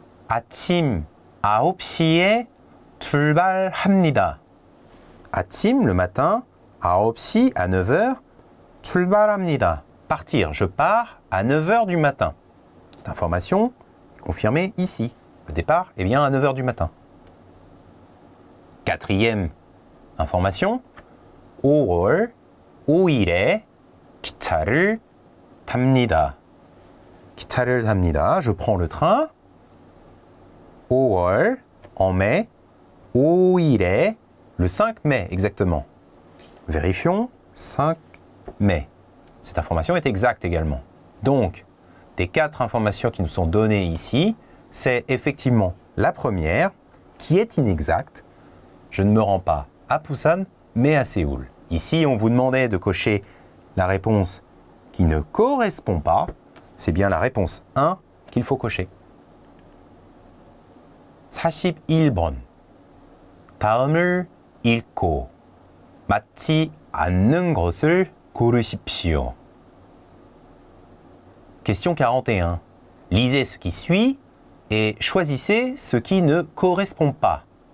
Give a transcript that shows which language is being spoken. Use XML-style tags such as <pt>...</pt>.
<ko>아침 9시에 출발합니다. 아침,</ko> <fr>le matin,</fr> <ko>9시,</ko> <fr>à 9h,</fr> <ko>출발합니다.</ko> <fr>Partir, je pars à 9h du matin. Cette information est confirmée ici. Le départ est bien à 9h du matin. Quatrième information,</fr> <ko>5월 5일에 기차를 탑니다. 기차를 탑니다.</ko> <fr>Je prends le train.</fr> <ko>5월,</ko> <fr>en mai,</fr> <ko>5일에,</ko> <fr>le 5 mai exactement. Vérifions, 5 mai. Cette information est exacte également. Donc, des quatre informations qui nous sont données ici, c'est effectivement la première qui est inexacte. Je ne me rends pas à Busan, mais à Séoul. Ici, on vous demandait de cocher la réponse qui ne correspond pas. C'est bien la réponse 1 qu'il faut cocher.</fr> <ko>41번. 다음을 읽고 맞지 않는 것을 고르십시오.</ko> <fr>Question 41. Lisez ce qui suit et choisissez ce qui ne correspond pas.</fr>